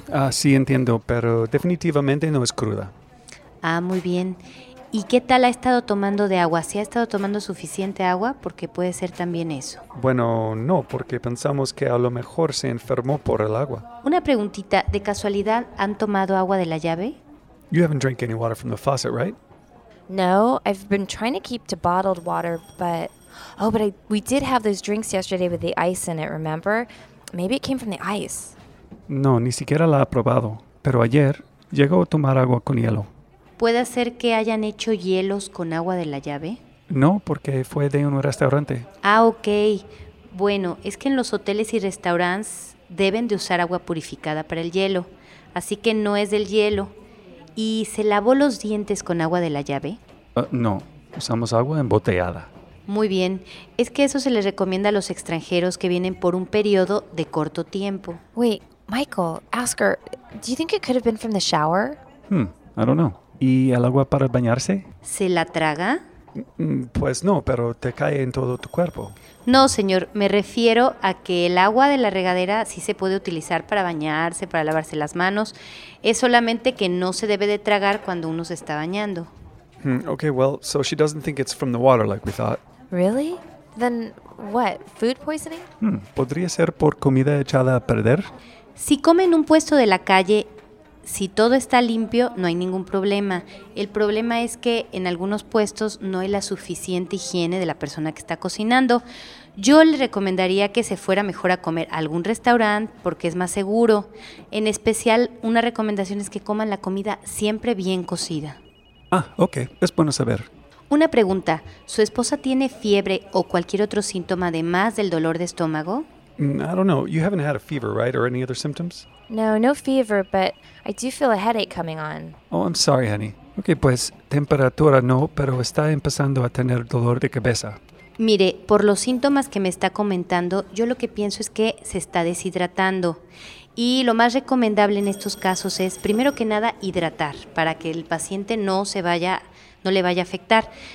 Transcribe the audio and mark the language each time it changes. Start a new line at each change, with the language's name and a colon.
Spanish: Sí, entiendo, pero definitivamente no es cruda. Ah, muy bien. ¿Y qué tal ha estado tomando de agua? ¿Sí ha estado tomando suficiente agua? Porque puede ser también eso. Bueno, no, porque pensamos que a lo mejor se enfermó por el agua. Una preguntita, ¿de casualidad han tomado agua de la llave?
English: You haven't drank any water from the faucet, right? No, I've been trying to keep to bottled water, but... Oh, but we did have those drinks yesterday with the ice in it, remember? Maybe it came from the ice.
Spanish: No, ni siquiera la ha probado, pero ayer llegó a tomar agua con hielo. ¿Puede ser que hayan hecho hielos con agua de la llave? No, porque fue de un restaurante. Ah, ok. Bueno, es que en los hoteles y restaurantes deben de usar agua purificada para el hielo. Así que no es del hielo. ¿Y se lavó los dientes con agua de la llave? No, usamos agua embotellada. Muy bien. Es que eso se les recomienda a los extranjeros que vienen por un periodo de corto tiempo.
English: Wait, Michael, ask her, do you think it could have been from the shower? I don't know.
Spanish: ¿Y el agua para bañarse? ¿Se la traga? Pues no, pero te cae en todo tu cuerpo. No, señor. Me refiero a que el agua de la regadera sí se puede utilizar para bañarse, para lavarse las manos. Es solamente que no se debe de tragar cuando uno se está bañando.
English: Okay, well, so she doesn't think it's from the water like we thought. Really? Then what? Food poisoning?
Spanish: ¿Podría ser por comida echada a perder? Si come en un puesto de la calle... Si todo está limpio, no hay ningún problema. El problema es que en algunos puestos no hay la suficiente higiene de la persona que está cocinando. Yo le recomendaría que se fuera mejor a comer a algún restaurante porque es más seguro. En especial, una recomendación es que coman la comida siempre bien cocida. Ah, ok. Es bueno saber. Una pregunta. ¿Su esposa tiene fiebre o cualquier otro síntoma además del dolor de estómago?
English: I don't know. You haven't had a fever, right? Or any other symptoms? No fever, but I do feel a headache coming on. Oh, I'm sorry, honey.
Spanish: Okay, pues, temperatura no, pero está empezando a tener dolor de cabeza. Mire, por los síntomas que me está comentando, yo lo que pienso es que se está deshidratando. Y lo más recomendable en estos casos es, primero que nada, hidratar, para que el paciente no le vaya a afectar.